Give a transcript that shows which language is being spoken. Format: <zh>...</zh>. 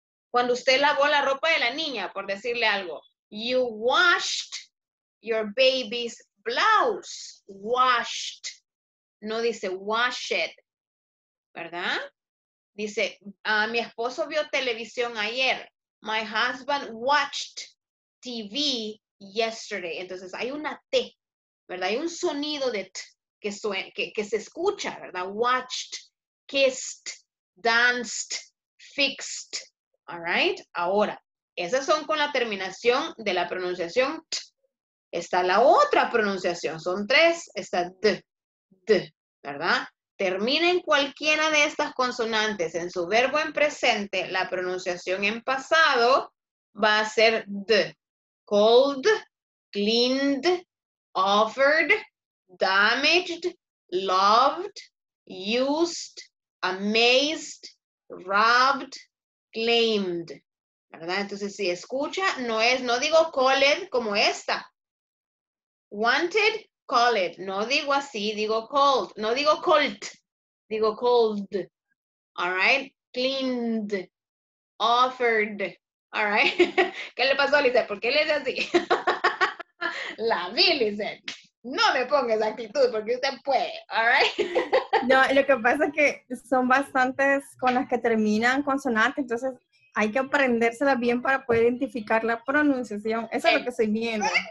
<es>Cuando usted lavó la ropa de la niña, por decirle algo,</es> <en>you washed your baby's blouse, washed,</en> <es>no dice washed, ¿verdad? Dice, mi esposo vio televisión ayer,</es> <en>my husband watched TV yesterday.</en> <es>Entonces, hay una T, ¿verdad? Hay un sonido de T que, que se escucha, ¿verdad?</es> <en>Watched, kissed, danced, fixed. All right?</en> <es>Ahora, esas son con la terminación de la pronunciación T. Está la otra pronunciación, son tres. Está D, D, ¿verdad? Termina en cualquiera de estas consonantes en su verbo en presente, la pronunciación en pasado va a ser d.</es> <en>Called, cleaned, offered, damaged, loved, used, amazed, robbed, claimed.</en> <es>¿Verdad? Entonces, si escucha, no es, no digo called como esta.</es> <en>Wanted, called.</en> <es>No digo así, digo called. No digo called. Digo called,</es> <en>all right? Cleaned, offered, all right?</en> <es>¿Qué le pasó a Lizette? ¿Por qué le dice así? La vi, Lizette. No me pongas actitud porque usted puede,</es> <en>all right?</en> <es>No, lo que pasa es que son bastantes con las que terminan consonantes, entonces hay que aprendérselas bien para poder identificar la pronunciación. Eso es lo que estoy viendo.</es>